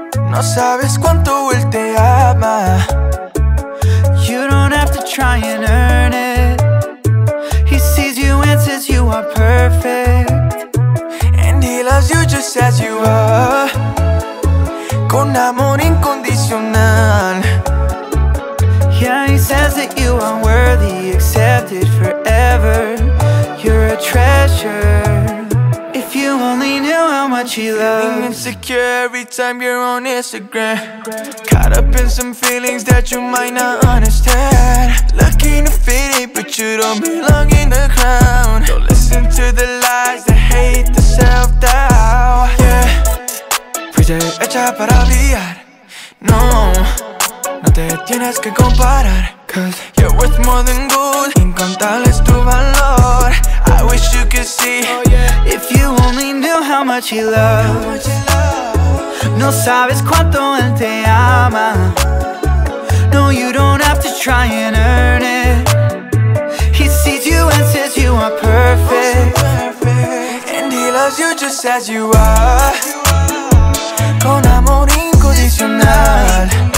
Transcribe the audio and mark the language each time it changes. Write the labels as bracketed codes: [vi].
[es] No sabes cuánto él te ama. [en] You don't have to try and earn it. He sees you and says you are perfect. And he loves you just as you are. [es] Con amor incondicional. [en] Yeah, he says that you are worthy, accepted forever. You're a treasure. Feeling insecure every time you're on Instagram. Caught up in some feelings that you might not understand. Looking to fit in, but you don't belong in the crowd. Don't listen to the lies, the hate, the self-doubt. [es] Yeah, fuiste hecha para brillar. No, no te tienes que comparar. [en] Cause you're worth more than gold. [es] Incontable es tu valor. [en] I wish you could see. If you only knew how much he loves. [es] No sabes cuánto él te ama. [en] No, you don't have to try and earn it. He sees you and says you are perfect. And he loves you just as you are. [es] Con amor incondicional.